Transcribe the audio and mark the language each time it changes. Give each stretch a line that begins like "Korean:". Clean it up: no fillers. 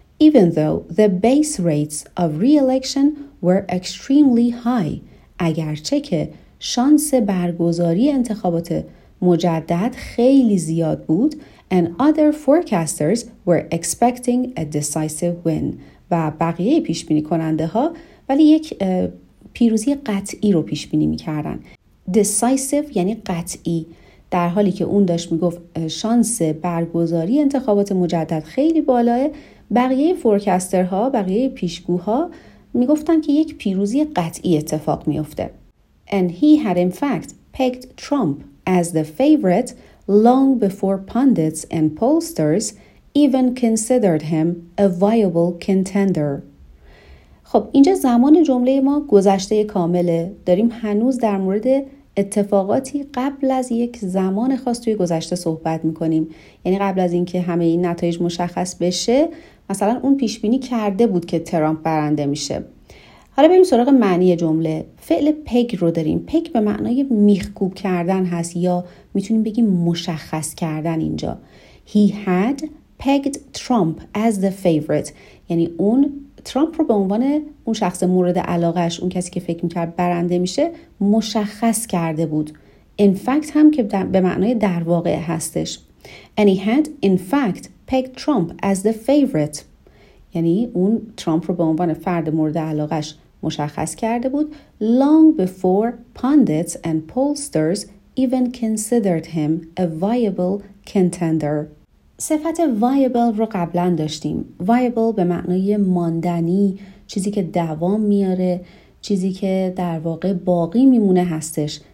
English: Even though the base rates of re-election were extremely high،
Persian: اگرچه که شانس برگزاری انتخابات مجدد خیلی زیاد بود،
English: and other forecasters were expecting a decisive win،
Persian: و بقیه پیش بینی کننده ها ولی یک پیروزی قطعی رو پیش بینی میکردن. Decisive یعنی قطعی، در حالی که اون داشت میگفت شانس برگزاری انتخابات مجدد خیلی بالاست، بقیه فورکاسترها، بقیه پیشگوها میگفتن که یک پیروزی قطعی اتفاق میفته.
English: And he had in fact pegged Trump as the favorite long before pundits and pollsters even considered him a viable contender.
Persian: خب اینجا زمان جمله ما گذشته کامله، داریم هنوز در مورد اتفاقاتی قبل از یک زمان خاص توی گذشته صحبت میکنیم، یعنی قبل از اینکه همه این نتایج مشخص بشه. مثلا اون پیشبینی کرده بود که ترامپ برنده میشه. حالا بریم سراغ معنی جمله. فعل پگ رو داریم. پگ به معنای میخکوب کردن هست یا میتونیم بگیم مشخص کردن. اینجا
English: He had pegged Trump as the favorite
Persian: یعنی اون ترامپ رو به عنوان اون شخص مورد علاقهش، اون کسی که فکر میکرد برنده میشه، مشخص کرده بود.
English: In fact
Persian: هم که به معنای در واقع هستش.
English: And he had in fact pegged Trump as the favorite.
Persian: یعنی اون ترامپ رو به عنوان فرد مورد علاقهش مشخص کرده بود.
English: Long before pundits and pollsters even considered him a viable contender.
Persian: صفت viable رو قبلا داشتیم. viable به معنای ماندنی، چیزی که دوام میاره، چیزی که در واقع باقی میمونه هستش.